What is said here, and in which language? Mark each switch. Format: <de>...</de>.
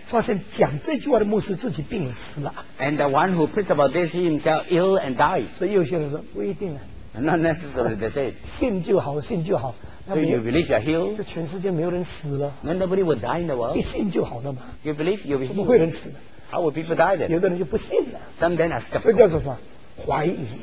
<zh>发现讲这句话的牧师自己病死了。</zh> <en>And the one who preached about this himself ill and died.</en> <zh>所以有些人说不一定啊。</zh> <en>Not necessarily they say.</en> <zh>信就好，信就好。</zh> <en>So you believe you're healed.</en> <zh>就全世界没有人死了。</zh> <en>Then nobody will die in the world.</en> <zh>你信就好了嘛。</zh> <en>You believe you'll be healed.</en> <zh>怎么会人死呢</zh> <en>？How will people die then?</en> <zh>有的人就不信了。</zh> <en>Some then are skeptical.</en> <zh>这叫做什么？怀疑。</zh>